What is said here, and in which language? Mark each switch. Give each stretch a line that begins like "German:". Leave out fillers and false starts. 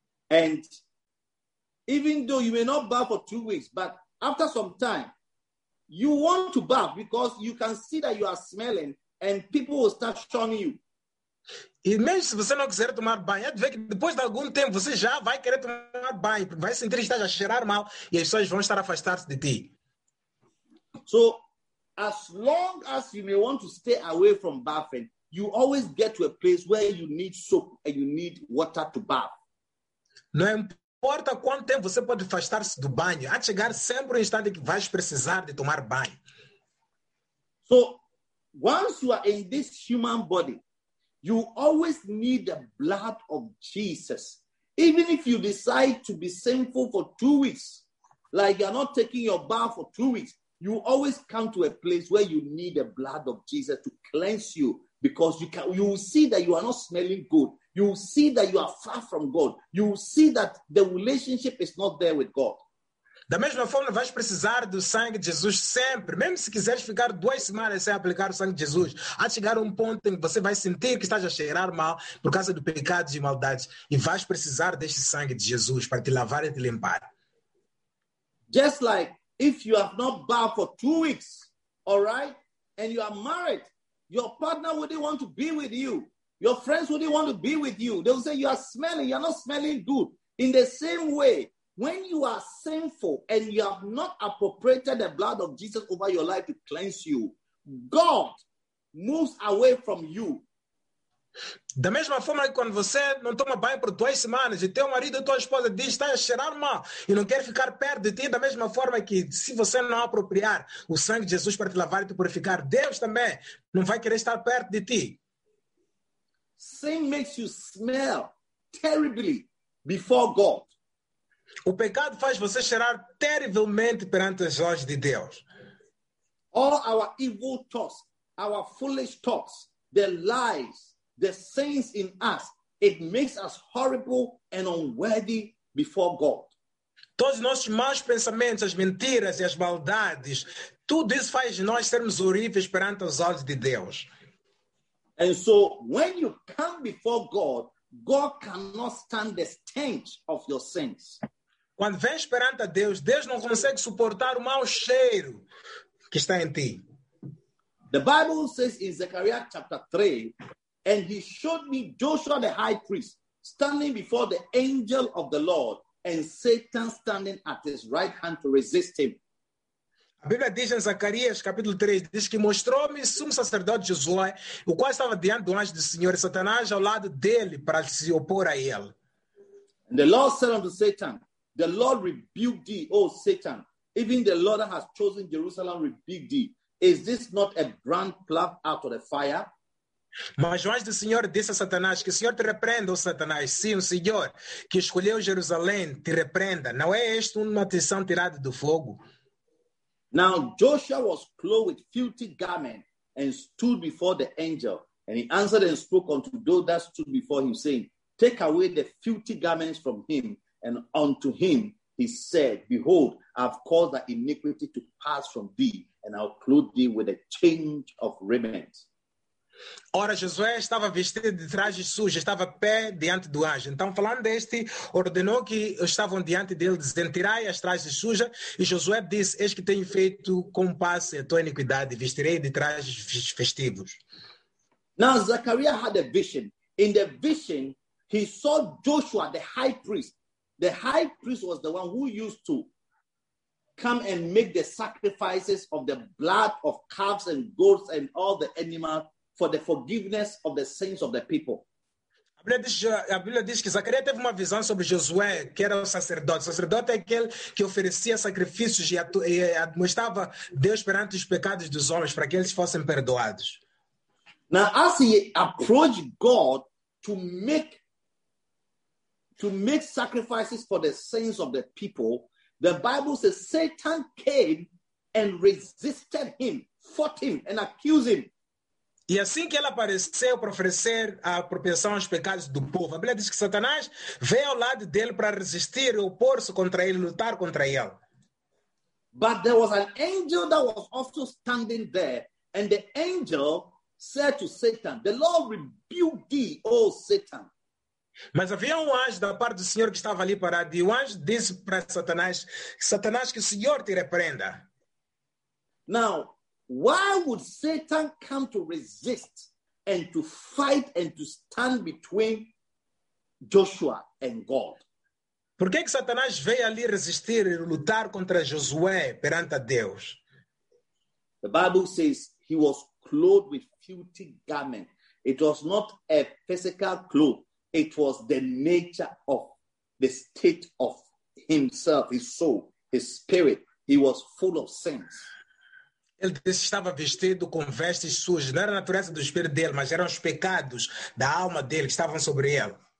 English: And even though you may not bathe for 2 weeks, but after some time, you want to bathe because you can see that you are smelling and people will start shunning you.
Portuguese: E mesmo se você não quiser tomar banho, é de ver que depois de algum tempo você já vai querer tomar banho, porque vai sentir que está a cheirar mal e as pessoas vão estar a afastar-se de ti.
English: So, as long as you may want to stay away from bathing, you always get to a place where you need soap and you need water to bath.
Portuguese: Não importa quanto tempo você pode afastar-se do banho, há de chegar sempre um instante que vais precisar de tomar banho.
English: So, once you are in this human body, you always need the blood of Jesus. Even if you decide to be sinful for 2 weeks, like you're not taking your bath for 2 weeks, you always come to a place where you need the blood of Jesus to cleanse you, because you will see that you are not smelling good. You will see that you are far from God. You will see that the relationship is not there with God.
Portuguese: Da mesma forma, vais precisar do sangue de Jesus sempre. Mesmo se quiseres ficar 2 semanas sem aplicar o sangue de Jesus, há de chegar um ponto em que você vai sentir que estás a cheirar mal por causa do pecado e maldade. E vais precisar deste sangue de Jesus para te lavar e te limpar.
English: Just like if you have not bathed for 2 weeks, all right, and you are married, your partner wouldn't want to be with you. Your friends wouldn't want to be with you. They will say you are smelling, you are not smelling good. In the same way, when you are sinful and you have not appropriated the blood of Jesus over your life to cleanse you, God moves away from you.
Portuguese: Da mesma forma que quando você não toma banho por 2 semanas e teu marido ou tua esposa diz que está a cheirar mal e não quer ficar perto de ti, da mesma forma que se você não apropriar o sangue de Jesus para te lavar e te purificar, Deus também não vai querer estar perto de ti.
English: Sin makes you smell terribly before God.
Portuguese: O pecado faz você cheirar terrivelmente perante os olhos de Deus.
English: All our evil thoughts, our foolish thoughts, the lies, the sins in us, it makes us horrible and unworthy before God.
Portuguese: Todos os nossos maus pensamentos, as mentiras e as maldades, tudo isso faz nós sermos horríveis perante os olhos de Deus.
English: And so, when you come before God, God cannot stand the stench of your sins.
Portuguese: Quando vens perante a Deus, Deus não consegue suportar o mau cheiro que está em ti.
English: The Bible says in Zechariah chapter 3, and he showed me Joshua the high priest standing before the angel of the Lord and Satan standing at his right hand to resist him.
Portuguese: A Bíblia diz em Zacarias capítulo 3, diz que mostrou-me o sumo sacerdote Josué, o qual estava diante do anjo do Senhor e Satanás ao lado dele para se opor a ele.
English: And the Lord said unto Satan, the Lord rebuke thee, O Satan. Even the Lord that has chosen Jerusalem rebuke thee. Is this not a brand plucked out of the fire?
Portuguese: Mas o anjo do Senhor disse a Satanás, que o Senhor te repreenda, Satanás. Sim, o Senhor, que escolheu Jerusalém, te repreenda. Não é isto uma tensão tirada do fogo?
English: Now Joshua was clothed with filthy garment and stood before the angel. And he answered and spoke unto those that stood before him, saying, take away the filthy garments from him. And unto him he said, behold, I have caused the iniquity to pass from thee, and I'll clothe thee with a change of raiment.
Portuguese: Ora, Josué estava vestido de trajes sujos, estava a pé diante do anjo. Então, falando deste, ordenou que estavam diante dele, dizendo, tirai as trajes sujas. E Josué disse, eis que tenho feito com paz a tua iniquidade, vestirei de trajes festivos.
English: Now, Zechariah had a vision. In the vision, he saw Joshua, the high priest. The high priest was the one who used to come and make the sacrifices of the blood of calves and goats and all the animals for the forgiveness of the sins of the people.
Portuguese: A Bíblia diz que Zacarias teve uma visão sobre Josué, que era o sacerdote. O sacerdote é aquele que oferecia sacrifícios e mostrava Deus perante os pecados dos homens para que eles fossem perdoados.
English: Now, as he approached God to make sacrifices for the sins of the people, the Bible says Satan came and resisted him, fought him, and accused him.
Portuguese: E assim que ele apareceu para oferecer a propiciação aos pecados do povo, a Bíblia diz que Satanás veio ao lado dele para resistir, opor-se contra ele, lutar contra ele.
English: But there was an angel that was also standing there, and the angel said to Satan, the Lord rebuke thee, O Satan.
Portuguese: Mas havia um anjo da parte do Senhor que estava ali parado, e o anjo disse para Satanás, Satanás, que o Senhor te repreenda.
English: Now, why would Satan come to resist and to fight and to stand between Joshua and God?
Portuguese: Por que Satanás veio ali resistir e lutar contra Josué perante a Deus?
English: The Bible says he was clothed with filthy garment. It was not a physical cloth. It was the nature of the state of himself, his soul, his spirit. He was full of sins.
Portuguese: Ele disse, estava vestido com vestes sujas. Não era a natureza do espírito dele, mas eram os pecados da alma dele que estavam sobre ele.